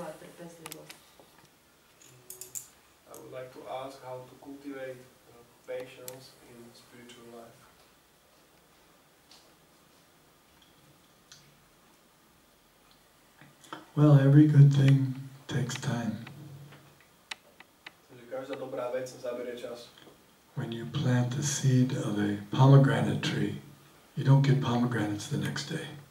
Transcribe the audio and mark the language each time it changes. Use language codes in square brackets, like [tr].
[en] I would like to ask how to cultivate patience in spiritual life. Well, every good thing takes time. [sk] Každá dobrá vec zaberie čas. [en] When you plant the seed of a pomegranate tree, you don't get pomegranates the next day.